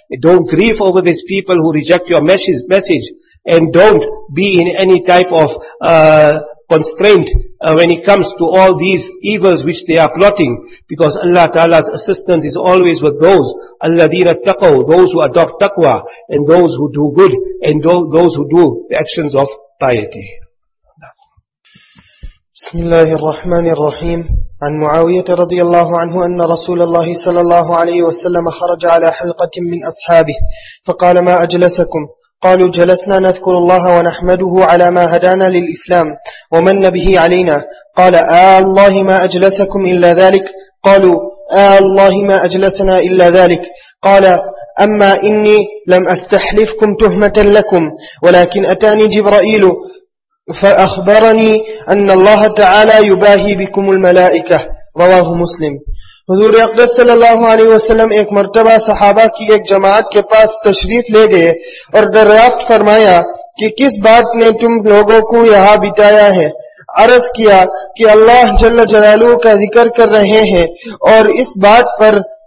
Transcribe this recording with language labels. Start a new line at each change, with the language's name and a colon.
English: Don't grieve over these people who reject your message, and don't be in any type of constraint when it comes to all these evils which they are plotting, because Allah Ta'ala's assistance is always with those,
Arabic: alladhina taqaw,
English: those who adopt taqwa, and those who do good, and those who do the actions of piety.
Arabic: بسم الله الرحمن الرحيم. عن معاوية رضي الله عنه أن رسول الله صلى الله عليه وسلم خرج على حلقة من أصحابه فقال ما أجلسكم؟ قالوا جلسنا نذكر الله ونحمده على ما هدانا للإسلام ومن به علينا. قال الله ما أجلسكم إلا ذلك. قالوا الله ما أجلسنا إلا ذلك. قال أما إني لم أستحلفكم تهمة لكم، ولكن أتاني جبرائيل فأخبرني أن الله تعالى يباهي بكم الملائكة. رواه مسلم.
Urdu: حضور اقدس صلی اللہ علیہ وسلم ایک مرتبہ صحابہ کی ایک جماعت کے پاس تشریف لے گئے اور دریافت فرمایا کہ کس بات نے تم لوگوں کو یہاں بٹھایا ہے؟ عرض کیا کہ اللہ جل جلالہ کا ذکر کر رہے ہیں اور اس بات پر